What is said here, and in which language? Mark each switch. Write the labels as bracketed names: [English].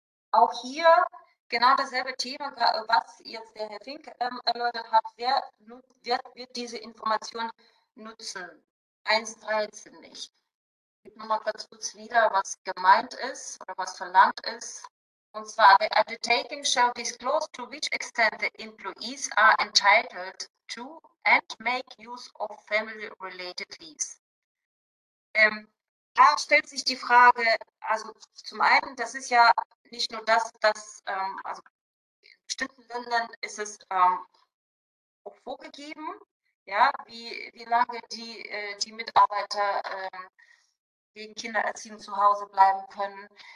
[German] Auch hier genau dasselbe Thema, was jetzt der Herr Fink erläutert hat. Wer wird diese Information nutzen? 1.13 nicht. Noch mal ganz kurz wieder, was gemeint ist oder was verlangt ist. Und zwar, [English] the undertaking shall disclose to which extent the employees are entitled to and make use of family-related leaves. [German] Da stellt sich die Frage, also zum einen, das ist ja nicht nur das, dass also in bestimmten Ländern ist es auch vorgegeben, ja, wie lange die Mitarbeiter die Kindererziehung zu Hause bleiben können.